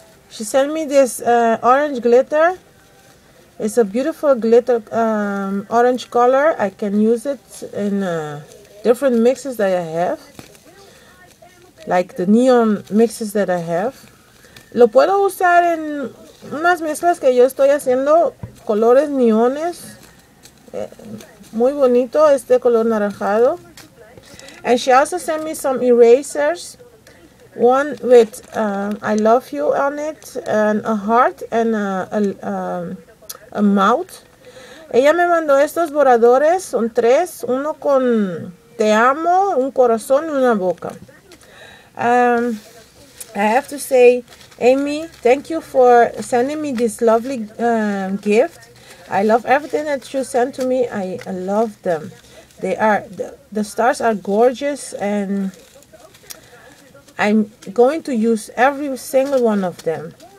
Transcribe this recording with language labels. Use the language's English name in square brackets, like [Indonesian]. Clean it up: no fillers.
[English] She sent me this orange glitter. It's a beautiful glitter, orange color. I can use it in different mixes that I have, like the neon mixes that I have. [Spanish] Lo puedo usar en unas mezclas que yo estoy haciendo, colores neones. Muy bonito este color naranjado. [English] And she also sent me some erasers. One with I love you on it, and a heart, and a mouth. [Spanish] Ella me mandó estos borradores, son tres, uno con te amo, un corazón y una boca. [English] I have to say Amy, thank you for sending me this lovely gift. I love everything that you sent to me. I love them. They are the stars are gorgeous, and I'm going to use every single one of them.